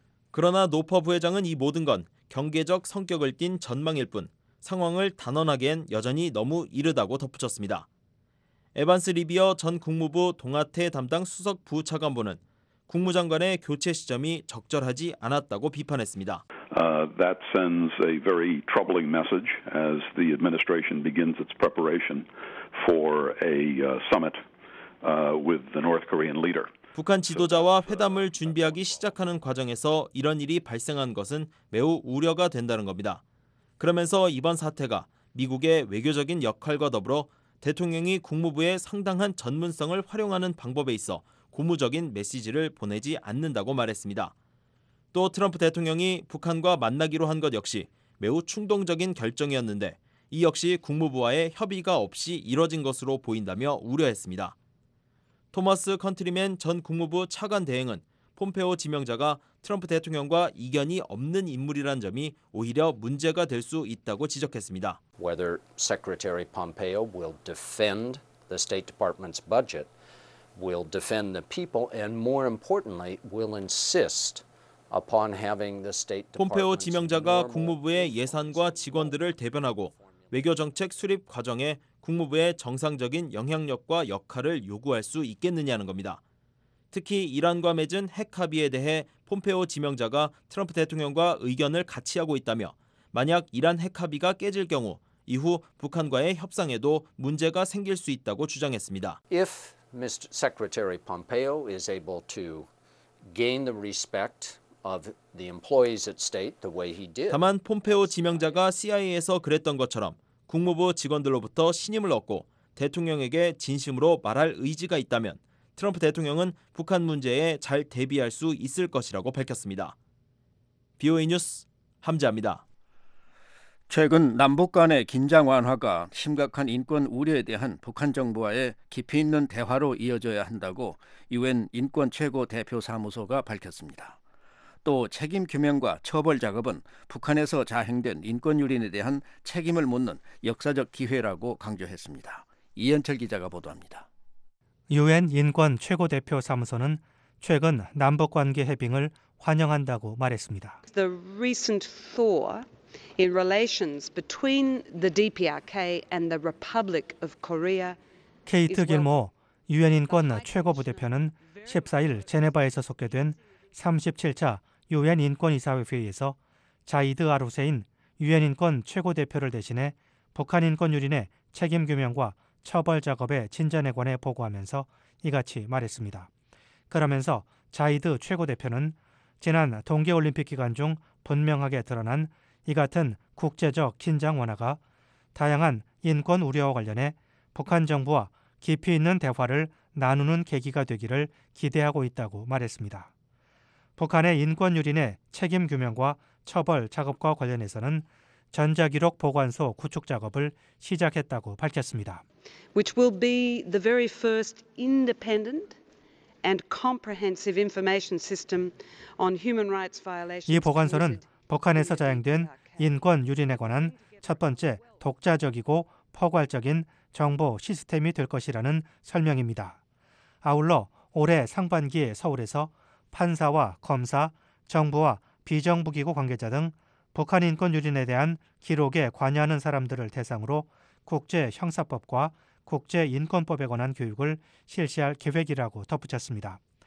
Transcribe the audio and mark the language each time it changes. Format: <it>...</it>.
<ko>그러나 노퍼 부회장은 이 모든 건 경계적 성격을 띈 전망일 뿐 상황을 단언하기엔 여전히 너무 이르다고 덧붙였습니다. 에반스 리비어 전 국무부 동아태 담당 수석 부차관보는 국무장관의 교체 시점이 적절하지 않았다고 비판했습니다.</ko> <en>That sends a very troubling message as the administration begins its preparation for a summit with the North Korean leader.</en> <ko>북한 지도자와 회담을 준비하기 시작하는 과정에서 이런 일이 발생한 것은 매우 우려가 된다는 겁니다. 그러면서 이번 사태가 미국의 외교적인 역할과 더불어 대통령이 국무부의 상당한 전문성을 활용하는 방법에 있어 고무적인 메시지를 보내지 않는다고 말했습니다. 또 트럼프 대통령이 북한과 만나기로 한 것 역시 매우 충동적인 결정이었는데 이 역시 국무부와의 협의가 없이 이뤄진 것으로 보인다며 우려했습니다. 토마스 컨트리맨 전 국무부 차관 대행은 폼페오 지명자가 트럼프 대통령과 이견이 없는 인물이라는 점이 오히려 문제가 될 수 있다고 지적했습니다.</ko> <en>Whether Secretary Pompeo will defend the State Department's budget, will defend the people, and more importantly, will insist upon having the State Department.</en> <ko>폼페오 지명자가 국무부의 예산과 직원들을 대변하고 외교정책 수립 과정에 국무부의 정상적인 영향력과 역할을 요구할 수 있겠느냐는 겁니다. 특히 이란과 맺은 핵 합의에 대해 폼페오 지명자가 트럼프 대통령과 의견을 같이 하고 있다며 만약 이란 핵 합의가 깨질 경우 이후 북한과의 협상에도 문제가 생길 수 있다고 주장했습니다.</ko> <en>If Mr. Secretary Pompeo is able to gain the respect of the employees at state the way he did.</en> <ko>다만 폼페오 지명자가 CIA에서 그랬던 것처럼 국무부 직원들로부터 신임을 얻고 대통령에게 진심으로 말할 의지가 있다면 트럼프 대통령은 북한 문제에 잘 대비할 수 있을 것이라고 밝혔습니다. BOA 뉴스 함지아입니다. 최근 남북 간의 긴장 완화가 심각한 인권 우려에 대한 북한 정부와의 깊이 있는 대화로 이어져야 한다고 UN 인권 최고 대표 사무소가 밝혔습니다. 또 책임 규명과 처벌 작업은 북한에서 자행된 인권 유린에 대한 책임을 묻는 역사적 기회라고 강조했습니다. 이현철 기자가 보도합니다. UN 인권 최고 대표 사무소는 최근 남북 관계 해빙을 환영한다고 말했습니다.</ko> <en>The recent thaw in relations between the DPRK and the Republic of Korea.</en> <ko>케이트 길모 UN 인권 최고 부대표는 14일 제네바에서 속개된 37차 UN 인권이사회 회의에서 자이드 아루세인 유엔인권 최고대표를 대신해 북한인권유린의 책임규명과 처벌작업의 진전에 관해 보고하면서 이같이 말했습니다. 그러면서 자이드 최고대표는 지난 동계올림픽 기간 중 분명하게 드러난 이 같은 국제적 긴장 완화가 다양한 인권 우려와 관련해 북한 정부와 깊이 있는 대화를 나누는 계기가 되기를 기대하고 있다고 말했습니다. 북한의 인권유린의 책임규명과 처벌 작업과 관련해서는 전자기록 보관소 구축 작업을 시작했다고 밝혔습니다.</ko> <en>Which will be the very first independent and comprehensive information system on human rights violations.</en> <ko>이 보관소는 북한에서 자행된 인권 유린에 관한 첫 번째 독자적이고 포괄적인 정보 시스템이 될 것이라는 설명입니다. 아울러 올해 상반기에 서울에서 판사와 검사, 정부와 비정부기구 관계자 등 북한 인권 유린에 대한 기록에 관여하는 사람들을 대상으로 국제 형사법과 국제 인권법에 관한 교육을 실시할 계획이라고 덧붙였습니다.</ko>